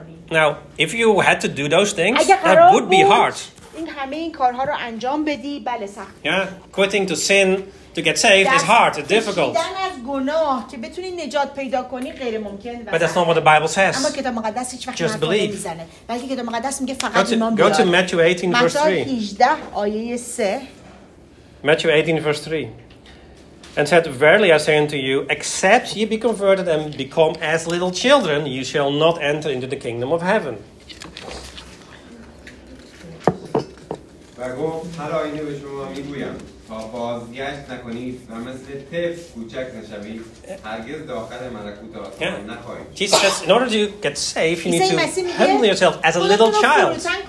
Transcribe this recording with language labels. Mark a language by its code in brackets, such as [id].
[en] Now, if you had to do those things, that would be hard. [fa] این همه این کارها رو انجام بدی بله سخت. [en] Yeah, quitting to sin to get saved is hard, it's difficult. [fa] کشیدن از گناه که بتونی نجات پیدا کنی غیر ممکن. [en] But that's not what the Bible says. [fa] اما کتاب مقدس هیچ وقت حرف نمیزنه. بلکه کتاب مقدس میگه فقط ایمان بیار. [en] Go to Matthew 18 verse 3. [fa] متی 18 آیه 3. [en] Matthew 18 verse 3. And said, Verily I say unto you, except ye be converted and become as little children, you shall not enter into the kingdom of heaven. [fa] و گفت هر آینه به شما میگویم با بازگشت نکنید و مثل طفل کوچک نشوید هرگز داخل ملکوت آسمان نخواهید. [en] Jesus says, in order to get safe, you need to humble yourself as a little child.